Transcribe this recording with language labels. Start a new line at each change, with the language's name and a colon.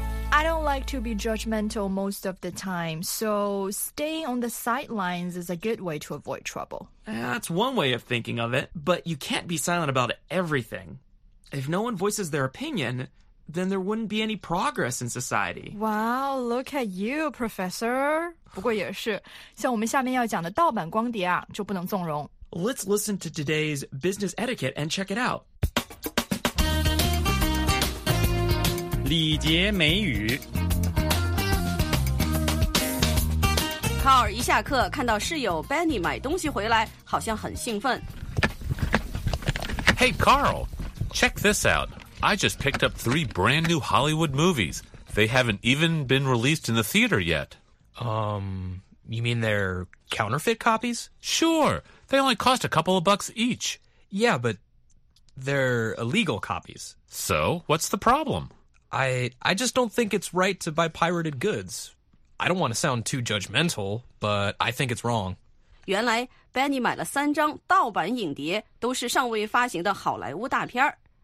English: I don't like to be judgmental most of the time, so staying on the sidelines is a good way to avoid trouble. That's one way of thinking of it, but you can't be silent about everything. If no one voices their opinion... then there wouldn't be any progress in society. Wow, look at you, professor.
Chinese: 不过也是，像我们下面要讲的盗版光碟啊，就不能纵容。
English: Let's listen to today's business etiquette and check it out.
Chinese: 礼节美语。卡尔一下课，看到室友 Benny 买东西回来，好像很兴奋。
English: Hey, Carl, check this out. I just picked up 3 brand new Hollywood movies. They haven't even been released in the theater yet. You mean they're counterfeit copies? Sure. They only cost a couple of bucks each. Yeah, but they're illegal copies. So, what's the problem? I just don't think it's right to buy pirated goods. I don't want to sound too judgmental, but I think it's wrong.
Chinese: 原来 Benny 买了三张盗版影碟，都是尚未发行的好莱坞大片儿。